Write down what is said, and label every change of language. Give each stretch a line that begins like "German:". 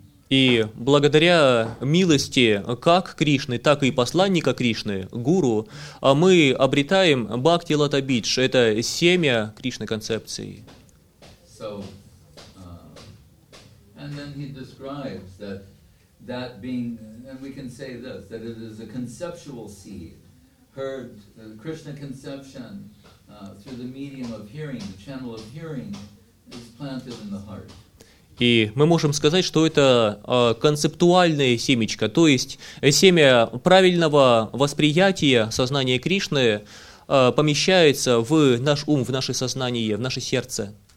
Russian: И благодаря милости как Кришны, так и посланника Кришны, гуру, мы обретаем Бхакти Лата Бидж, это семя Кришны концепции.
English: So, and then he describes that being, and we can say this, that it is a conceptual seed, heard Krishna conception through the medium of hearing, the channel of hearing is planted in the heart.
Russian: И мы можем сказать, что это концептуальное семечко, то есть семя правильного восприятия сознания Кришны помещается в наш ум, в наше сознание, в наше сердце.